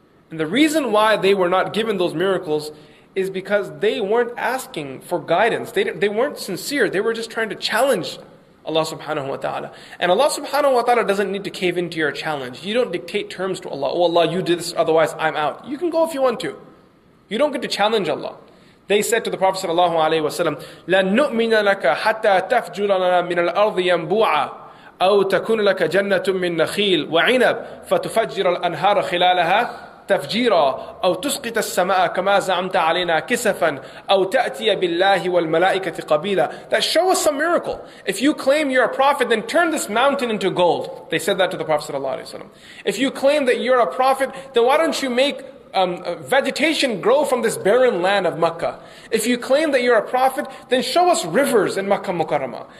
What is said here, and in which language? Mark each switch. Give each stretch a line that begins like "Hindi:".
English: And the reason why they were not given those miracles is because they weren't asking for guidance. They weren't sincere. They were just trying to challenge Allah subhanahu wa ta'ala. And Allah subhanahu wa ta'ala doesn't need to cave into your challenge. You don't dictate terms to Allah. "Oh Allah, you did this, otherwise I'm out." You can go if you want to. You don't get to challenge Allah. They said to the Prophet sallallahu alayhi wa sallam,
Arabic: "لَنُؤْمِنَ لَكَ حَتَّى تَفْجُرَ لَنَا مِنَ الْأَرْضِ يَنْبُوعًا أَوْ تَكُنُ لَكَ جَنَّةٌ مِّن نَخِيلٍ وَعِنَبٍ فَتُفَجِّرَ الْأَنْهَارَ خِلَالَهَا تَفْجِيرًا أَوْ تُسْقِطَ السَّمَاءَ كَمَا زَعَمْتَ عَلَيْنَا كِسَفًا أَوْ تَأْتِيَ بِاللَّهِ وَالْمَلَائِكَةِ قَبِيلًا."
English: That show us some miracle. If you claim you're a prophet, then turn this mountain into gold. They said that to the Prophet sallallahu alaihi wasallam. If you claim that you're a prophet, then why don't you make vegetation grow from this barren land of Makkah? If you claim that you're a prophet, then show us rivers in Makkah Mukarramah.